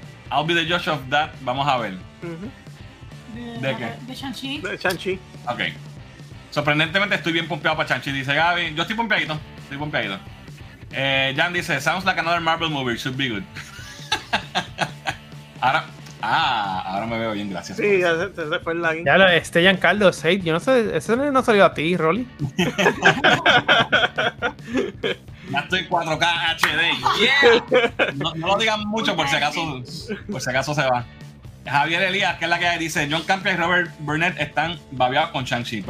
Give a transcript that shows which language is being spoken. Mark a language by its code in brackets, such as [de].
[en] I'll be the judge of that, [es] vamos a ver. Uh-huh. ¿De qué? De Shang-Chi. Ok. Sorprendentemente estoy bien pompeado para Shang-Chi, dice Gaby. Yo estoy pompeadito. Estoy pompeado. Jan dice, [en] sounds like another Marvel movie, should be good. [es] ahora me veo bien, gracias. Sí, ya se fue el lagging. Ya, Giancarlo, Sade, yo no sé, ese no salió a ti, Rolly. Ya estoy 4K HD. [en] Yeah. [es] No lo digan mucho por si acaso se va. Javier Elías, que es la que dice, John Campion y Robert Burnett están babeados con Shang-Chi.